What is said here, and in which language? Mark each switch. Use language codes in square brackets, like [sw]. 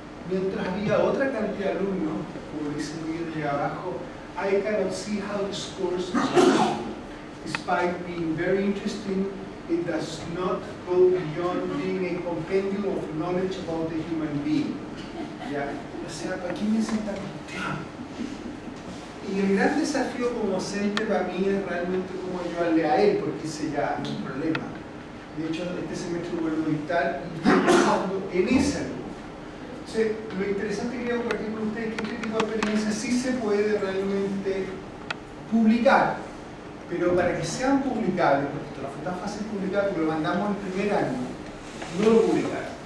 [es] Mientras había otra cantidad de alumnos, como dicen ellos de abajo, [en] I cannot see how this course is working. Despite being very interesting, it does not go beyond being a compendium of knowledge about the human being. [es] Yeah. O sea, ¿para quién me sienta? Y el gran desafío como docente para mí es realmente cómo ayudarle a él, porque ese ya es un problema. De hecho, este semestre vuelvo a editar y estoy pensando en ese alumno. O sea, lo interesante que quería compartir con ustedes es que este tipo de experiencias sí se puede realmente publicar, pero para que sean publicables, porque esto no fue tan fácil publicar, porque lo mandamos el primer año, no lo publicaron.